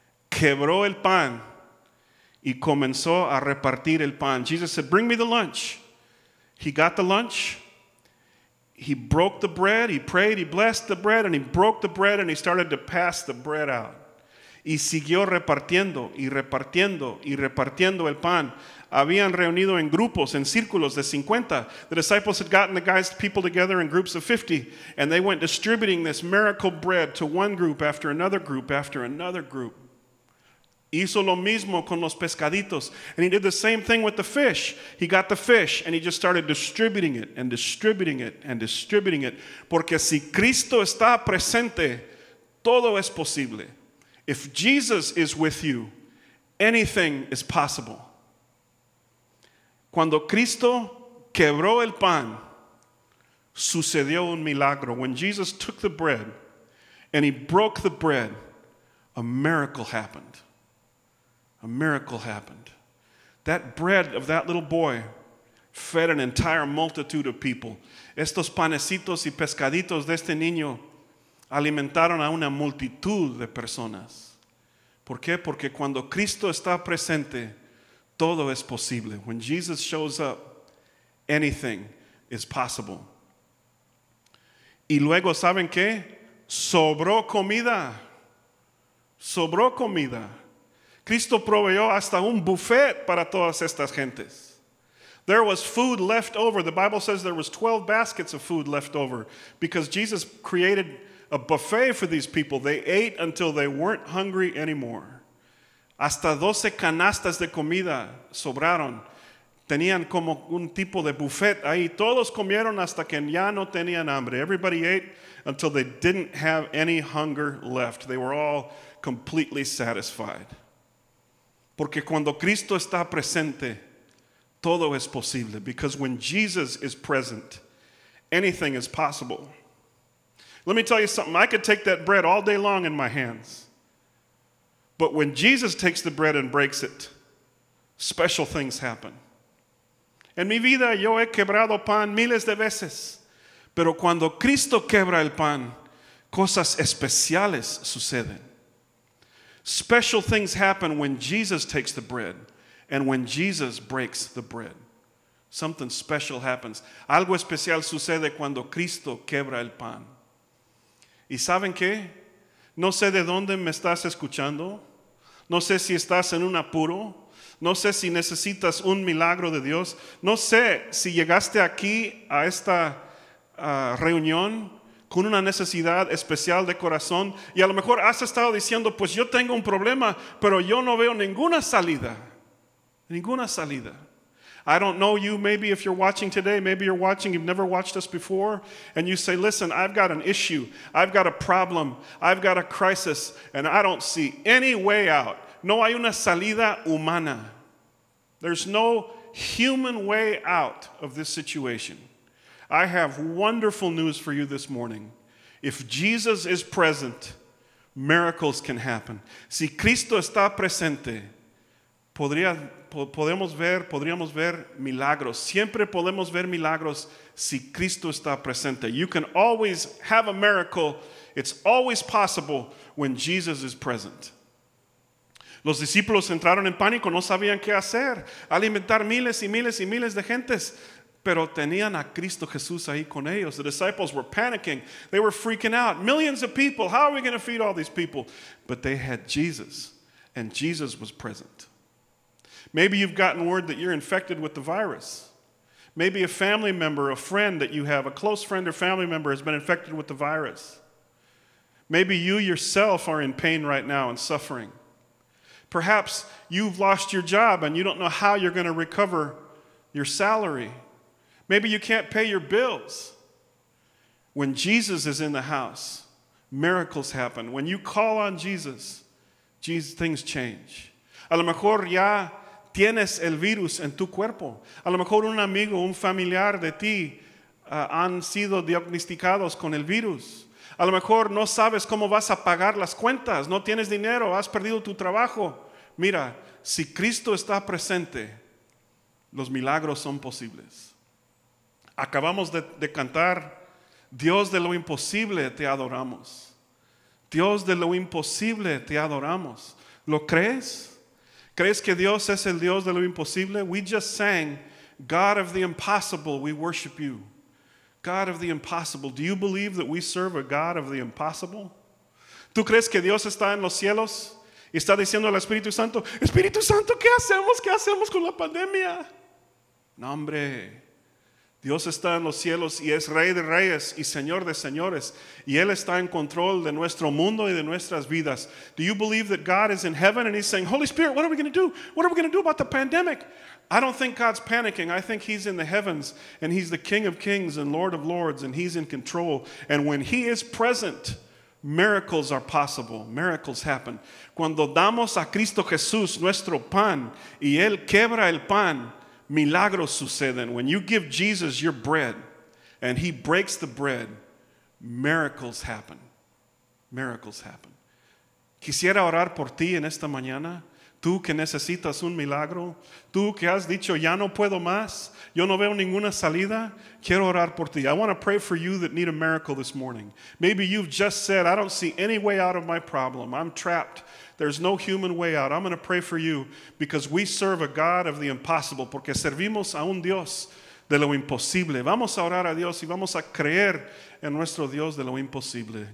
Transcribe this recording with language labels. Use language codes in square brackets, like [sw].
[es] Quebró el pan y comenzó a repartir el pan. [en] Jesus said, "Bring me the lunch." He got the lunch. He broke the bread. He prayed. He blessed the bread. And he broke the bread and he started to pass the bread out. [es] y siguió repartiendo y repartiendo y repartiendo el pan. Habían reunido en grupos, en círculos de 50. [en] The disciples had gotten the guys, people together in groups of 50, and they went distributing this miracle bread to one group after another group after another group. [es] Hizo lo mismo con los pescaditos, [en] and he did the same thing with the fish. He got the fish, and he just started distributing it and distributing it and distributing it. [es] Porque si Cristo está presente, todo es posible. [en] If Jesus is with you, anything is possible. [es] Cuando Cristo quebró el pan, sucedió un milagro. [en] When Jesus took the bread and he broke the bread, a miracle happened. A miracle happened. That bread of that little boy fed an entire multitude of people. [es] Estos panecitos y pescaditos de este niño alimentaron a una multitud de personas. ¿Por qué? Porque cuando Cristo está presente, todo es posible. [en] When Jesus shows up, anything is possible. [es] Y luego, ¿saben qué? Sobró comida. Sobró comida. Cristo proveyó hasta un buffet para todas estas gentes. [en] There was food left over. The Bible says there was 12 baskets of food left over because Jesus created a buffet for these people. They ate until they weren't hungry anymore. [es] Hasta 12 canastas de comida sobraron. Tenían como un tipo de buffet ahí. Todos comieron hasta que ya no tenían hambre. [en] Everybody ate until they didn't have any hunger left. They were all completely satisfied. Porque cuando Cristo está presente, todo es posible. Because when Jesus is present, anything is possible. Let me tell you something. I could take that bread all day long in my hands. But when Jesus takes the bread and breaks it, special things happen. [es] En mi vida yo he quebrado pan miles de veces. Pero cuando Cristo quebra el pan, cosas especiales suceden. [en] Special things happen when Jesus takes the bread and when Jesus breaks the bread. Something special happens. [es] Algo especial sucede cuando Cristo quebra el pan. ¿Y saben qué? No sé de dónde me estás escuchando. No sé si estás en un apuro. No sé si necesitas un milagro de Dios. No sé si llegaste aquí a esta reunión con una necesidad especial de corazón, y a lo mejor has estado diciendo, pues yo tengo un problema, pero yo no veo ninguna salida. Ninguna salida. [en] I don't know you, maybe if you're watching today, maybe you're watching, you've never watched us before, and you say, listen, I've got an issue, I've got a problem, I've got a crisis, and I don't see any way out. [es] No hay una salida humana. [en] There's no human way out of this situation. I have wonderful news for you this morning. If Jesus is present, miracles can happen. [es] Si Cristo está presente, podríamos ver milagros. Siempre podemos ver milagros si Cristo está presente. [en] You can always have a miracle. It's always possible when Jesus is present. [es] Los discípulos entraron en pánico. No sabían qué hacer. Alimentar miles y miles y miles de gentes. Pero tenían a Cristo Jesús ahí con ellos. [en] The disciples were panicking. They were freaking out. Millions of people. How are we going to feed all these people? But they had Jesus. And Jesus was present. Maybe you've gotten word that you're infected with the virus. Maybe a family member, a friend that you have, a close friend or family member has been infected with the virus. Maybe you yourself are in pain right now and suffering. Perhaps you've lost your job and you don't know how you're going to recover your salary. Maybe you can't pay your bills. When Jesus is in the house, miracles happen. When you call on Jesus, things change. [es] A lo mejor ya tienes el virus en tu cuerpo. A lo mejor un amigo, un familiar de ti han sido diagnosticados con el virus. A lo mejor no sabes cómo vas a pagar las cuentas. No tienes dinero, has perdido tu trabajo. Mira, si Cristo está presente, los milagros son posibles. Acabamos de cantar, Dios de lo imposible te adoramos. Dios de lo imposible te adoramos. ¿Lo crees? ¿Crees que Dios es el Dios de lo imposible? [en] We just sang, God of the impossible, we worship you. God of the impossible. Do you believe that we serve a God of the impossible? [es] ¿Tú crees que Dios está en los cielos? Y está diciendo al Espíritu Santo, Espíritu Santo, ¿qué hacemos? ¿Qué hacemos con la pandemia? No, hombre. Dios está en los cielos y es Rey de Reyes y Señor de Señores. Y Él está en control de nuestro mundo y de nuestras vidas. [en] Do you believe that God is in heaven and He's saying, Holy Spirit, what are we going to do? What are we going to do about the pandemic? I don't think God's panicking. I think He's in the heavens and He's the King of Kings and Lord of Lords and He's in control. And when He is present, miracles are possible. Miracles happen. [es] Cuando damos a Cristo Jesús nuestro pan y Él quebra el pan, milagros suceden. [en] When you give Jesus your bread and He breaks the bread, miracles happen. Miracles happen. [es] Quisiera orar por ti en esta mañana. Tú que necesitas un milagro. Tú que has dicho, ya no puedo más. Yo no veo ninguna salida. Quiero orar por ti. [en] I want to pray for you that need a miracle this morning. Maybe you've just said, I don't see any way out of my problem. I'm trapped. There's no human way out. I'm going to pray for you because we serve a God of the impossible. [es] Porque servimos a un Dios de lo imposible. Vamos a orar a Dios y vamos a creer en nuestro Dios de lo imposible.